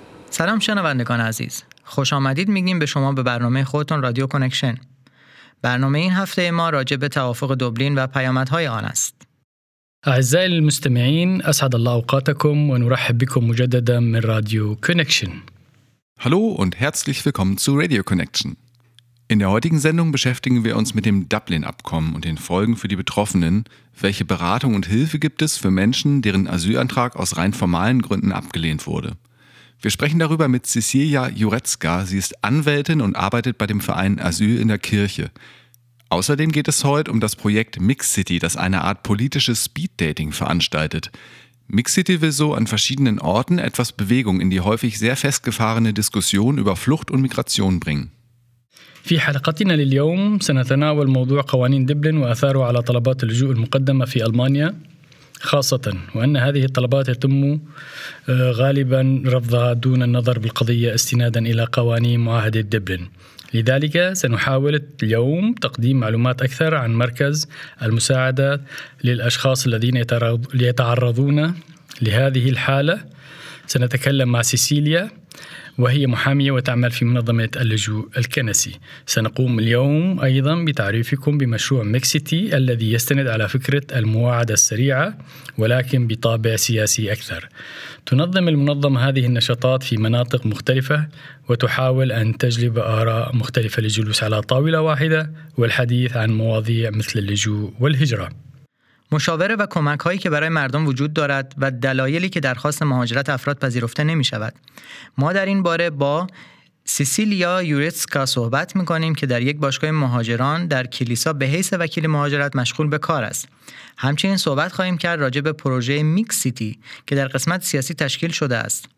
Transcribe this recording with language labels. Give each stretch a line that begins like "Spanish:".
Persian: سلام شنوندگان عزیز، خوش آمدید میگیم به شما به برنامه خودتون رادیو کنکشن. برنامه این هفته ما راجع به توافق دوبلین و پیامدهای آن است.
Arabic: اعزائي المستمعين، اسعد الله اوقاتكم ونرحب بكم مجددا من راديو كونكشن.
German: Hallo und herzlich willkommen zu Radio Connection. In der heutigen Sendung beschäftigen wir uns mit dem Dublin-Abkommen und den Folgen für die Betroffenen. Welche Beratung und Hilfe gibt es für Menschen, deren Asylantrag aus rein formalen Gründen abgelehnt wurde? Wir sprechen darüber mit Cecilia Jurecka. Sie ist Anwältin und arbeitet bei dem Verein Asyl in der Kirche. Außerdem geht es heute um das Projekt Mixcity, das eine Art politisches Speed-Dating veranstaltet. Mixcity will so an verschiedenen Orten etwas Bewegung in die häufig sehr festgefahrene Diskussion über Flucht und Migration bringen.
Arabic: في حلقتنا لليوم سنتناول موضوع قوانين دبلن وأثاره على طلبات اللجوء المقدمة في ألمانيا خاصة، وأن هذه الطلبات يتم غالبا رفضها دون النظر بالقضية استنادا إلى قوانين معاهدة دبلن. لذلك سنحاول اليوم تقديم معلومات أكثر عن مركز المساعدة للأشخاص الذين يتعرضون لهذه الحالة. سنتكلم مع سيسيليا وهي محامية وتعمل في منظمة اللجوء الكنسي. سنقوم اليوم أيضا بتعريفكم بمشروع ميكسيتي الذي يستند على فكرة المواعدة السريعة ولكن بطابع سياسي أكثر. تنظم المنظمة هذه النشاطات في مناطق مختلفة وتحاول أن تجلب آراء مختلفة للجلوس على طاولة واحدة والحديث عن مواضيع مثل اللجوء والهجرة.
Persian: مشاوره و کمک هایی که برای مردم وجود دارد و دلایلی که درخواست مهاجرت افراد پذیرفته نمی شود. ما در این باره با سیسیلیا یورتسکا صحبت می کنیم که در یک باشگاه مهاجران در کلیسا به حیث وکیل مهاجرت مشغول به کار است. همچنین صحبت خواهیم کرد راجع به پروژه میکسیتی که در قسمت سیاسی تشکیل شده است.